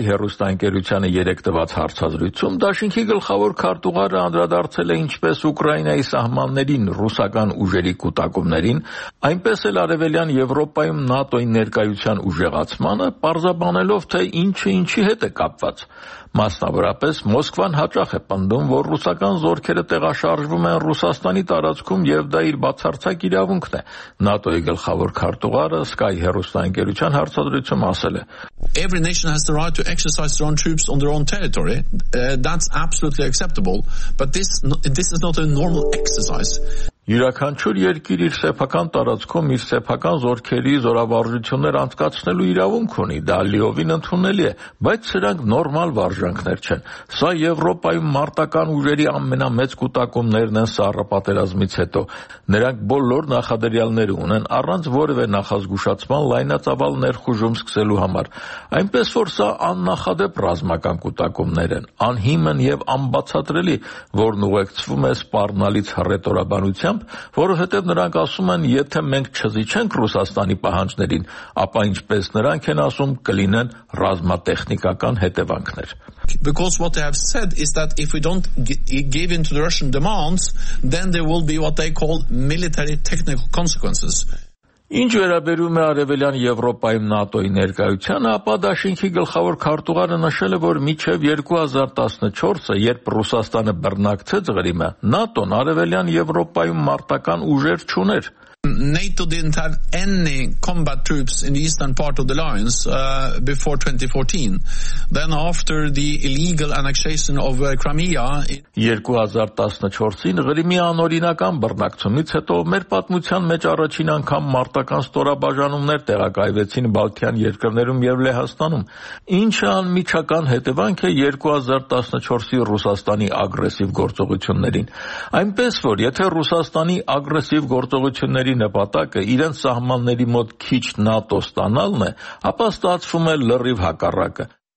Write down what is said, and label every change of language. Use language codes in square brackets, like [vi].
[hy] Իսրայել հեռուստաընկերությանը 3 տված հարցազրույցում Դաշինքի գլխավոր քարտուղարը անդրադարձել է ինչպես Ուկրաինայի սահմաններին, ռուսական ուժերի կուտակումներին, այնպես էլ արևելյան Եվրոպայում ՆԱՏՕ-ի ներկայության ուժեղացմանը, պարզաբանելով, թե ինչը ինչի հետ է կապված։ Մասնավորապես Մոսկվան հաճախ է պնդում, որ ռուսական զորքերը տեղաշարժվում են Ռուսաստանի տարածքում եւ դա իր բացարձակ իրավունքն է։ ՆԱՏՕ-ի գլխավոր քարտուղարը Sky հեռուստաընկերության հարցադրությամբ ասել է. [en] Every nation has the right to exercise their own troops on their own territory. That's absolutely acceptable, but this is not a normal exercise. [hy] Յուրաքանչյուր երկիր իր սեփական տարածքում իր սեփական զորքերի զորավարժություններ անցկացնելու իրավունք ունի, դա լիովին ընդունելի է, բայց սրանք նորմալ վարժանքներ չեն։ Սա Եվրոպայում մարտական ուժերի ամենամեծ կուտակումներն են Սառը պատերազմից հետո։ Նրանք բոլոր նախադրյալները ունեն առանց որևէ նախազգուշացման լայնածավալ ներխուժում սկսելու համար, այնպես որ սա աննախադեպ ռազմական կուտակումներ են, անհիմն եւ անբացատրելի, որն ուղեկցվում է սպառնալից հռետորաբանության, որովհետև նրանք ասում են, եթե մենք չզիջենք Ռուսաստանի պահանջներին, ապա ինչպես նրանք են ասում, կլինեն ռազմատեխնիկական հետևանքներ։ [en] Because what they have said is that if we don't give in to the Russian demands, then there will be what they call military technical consequences. [hy] Ինչ վերաբերում է արևելյան Եվրոպայում ՆԱՏՕ-ի ներկայությանը, ապա Դաշինքի գլխավոր քարտուղարը նշել է, որ մինչև 2014-ը, երբ Ռուսաստանը բռնակցեց Ղրիմը, ՆԱՏՕ-ն արևելյան Եվրոպայում մարտական ուժեր չուներ։ [en] NATO didn't have any combat troops in the eastern part of the alliance before 2014. Then after the illegal annexation of Crimea, [hy] 2014-ին Ղրիմի անօրինական բռնակցումից հետո մեր պատմության մեջ առաջին անգամ մարտական ստորաբաժանումներ տեղակայվեցին Բալթյան երկրներում եւ Լեհաստանում, ինչը անմիջական հետևանք է 2014-ի Ռուսաստանի ագրեսիվ գործողություններին։ Այնպես որ, եթե Ռուսաստանի ագրեսիվ գործողությունների նպատակը իրենց սահմանների մոտ քիչ ՆԱՏՕ ստանալն է, ապա ստացվում է լրիվ հակառակը։